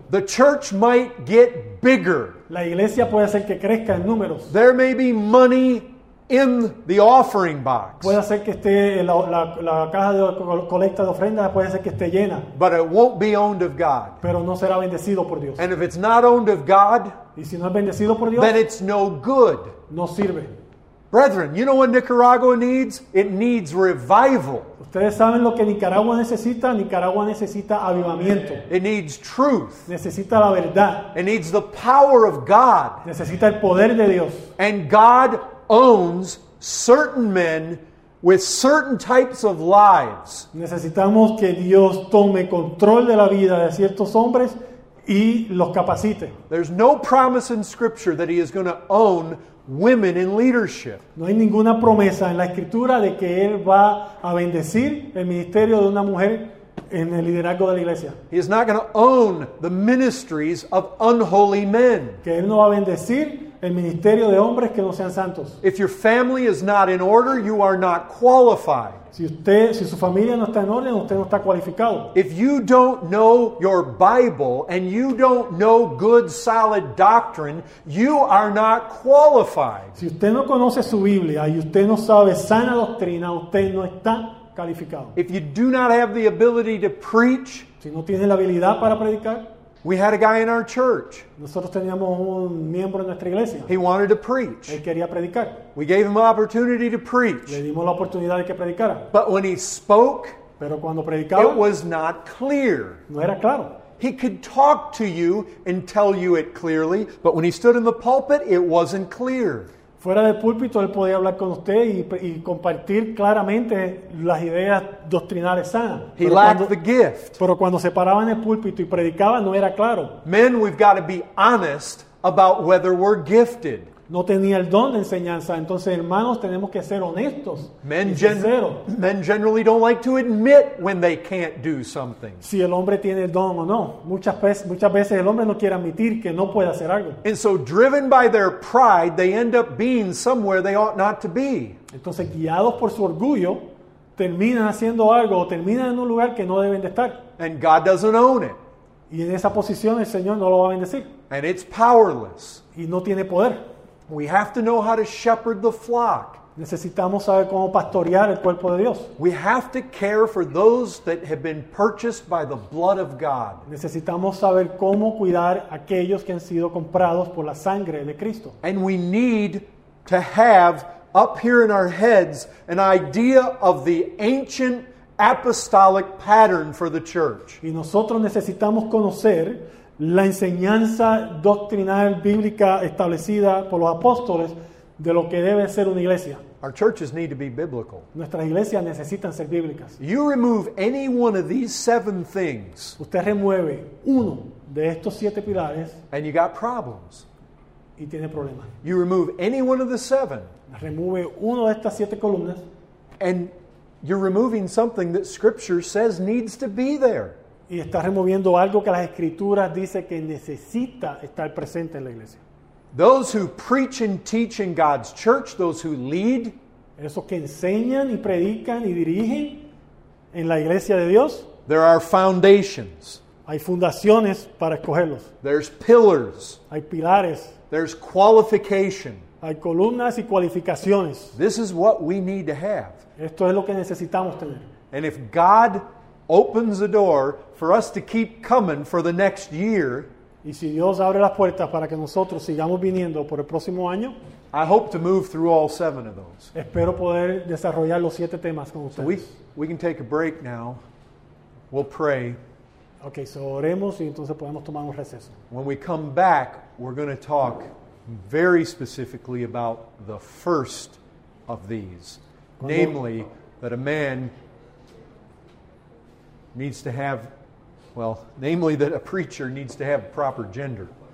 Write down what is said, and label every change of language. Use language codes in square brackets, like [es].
[en] The church might get bigger. [es] La iglesia puede hacer que crezca en números. [en] There may be money in the offering box. [es] Puede ser que esté la caja de colecta de ofrendas, puede ser que esté llena. [en] But it won't be owned of God. [es] Pero no será bendecido por Dios. [en] And if it's not owned of God, [es] y si no es bendecido por Dios, [en] then it's no good. [es] No sirve. [en] Brethren, you know what Nicaragua needs? It needs revival. [es] Ustedes saben lo que Nicaragua necesita. Nicaragua necesita avivamiento. [en] It needs truth. [es] Necesita la verdad. [en] It needs the power of God. [es] Necesita el poder de Dios. [en] And God owns certain men with certain types of lives. [es] Necesitamos que Dios tome control de la vida de ciertos hombres y los capacite. [en] There's no promise in Scripture that he is going to own women in leadership. [es] No hay ninguna promesa en la Escritura de que él va a bendecir el ministerio de una mujer en el liderazgo de la iglesia. [en] He is not going to own the ministries of unholy men. [es] Que él no va a bendecir el ministerio de hombres que no sean santos. [en] If your family is not in order, you are not qualified. [es] Si su familia no está en orden, usted no está cualificado. [en] If you don't know your Bible and you don't know good solid doctrine, you are not qualified. [es] Si usted no conoce su Biblia y usted no sabe sana doctrina, usted no está calificado. [en] If you do not have the ability to preach, [es] si no tiene la habilidad para predicar. [en] We had a guy in our church. [es] Nosotros teníamos un miembro en nuestra iglesia. [en] He wanted to preach. [es] Él quería predicar. [en] We gave him an opportunity to preach. [es] Le dimos la oportunidad de que predicara. [en] But when he spoke, [es] pero cuando predicaba, [en] it was not clear. [es] No era claro. [en] He could talk to you and tell you it clearly, but when he stood in the pulpit, it wasn't clear. [es] Fuera del púlpito, él podía hablar con usted y compartir claramente las ideas doctrinales sanas. [en] He lacked the gift. [es] Pero cuando se paraba en el púlpito y predicaba, no era claro. [en] Men, we've got to be honest about whether we're gifted. [es] No tenía el don de enseñanza. Entonces, hermanos, tenemos que ser honestos [en] men [es] y sinceros. [en] Men generally don't like to admit when they can't do something. [es] Si el hombre tiene el don o no. Muchas veces el hombre no quiere admitir que no puede hacer algo. [en] And so, driven by their pride, they end up being somewhere they ought not to be. [es] Entonces, guiados por su orgullo, terminan haciendo algo o terminan en un lugar que no deben de estar. [en] And God doesn't own it. [es] Y en esa posición, el Señor no lo va a bendecir. [en] And it's powerless. [es] Y no tiene poder. [en] We have to know how to shepherd the flock. [es] Necesitamos saber cómo pastorear el cuerpo de Dios. [en] We have to care for those that have been purchased by the blood of God. [es] Necesitamos saber cómo cuidar aquellos que han sido comprados por la sangre de Cristo. [en] And we need to have up here in our heads an idea of the ancient apostolic pattern for the church. [es] Y nosotros necesitamos conocer la enseñanza doctrinal bíblica establecida por los apóstoles de lo que debe ser una iglesia. [en] Our churches need to be biblical. [es] Nuestras iglesias necesitan ser bíblicas. [en] You remove any one of these seven things. [es] Usted remueve uno de estos siete pilares. [en] And you got problems. [es] Y tiene problemas. [en] You remove any one of the seven. [es] Remueve uno de estas siete columnas. [en] And you're removing something that Scripture says needs to be there. [es] Y está removiendo algo que las Escrituras dice que necesita estar presente en la iglesia. [en] Those who preach and teach in God's church, those who lead, [es] esos que enseñan y predican y dirigen en la iglesia de Dios, [en] there are foundations. [es] Hay fundaciones para escogerlos. [en] There's pillars. [es] Hay pilares. [en] There's qualification. [es] Hay columnas y cualificaciones. [en] This is what we need to have. [es] Esto es lo que necesitamos tener. [en] And if God opens the door for us to keep coming for the next year. [es] Y si Dios abre las puertas para que nosotros sigamos viniendo por el próximo año. [en] I hope to move through all seven of those. [es] Espero poder desarrollar los siete temas con ustedes. [en] We can take a break now. We'll pray. [es] Okay, so oremos y entonces podemos tomar un receso. [en] When we come back, we're going to talk very specifically about the first of these. [es] ¿Cuándo? [en] Namely, that a man needs to have, well, namely that a preacher needs to have proper gender.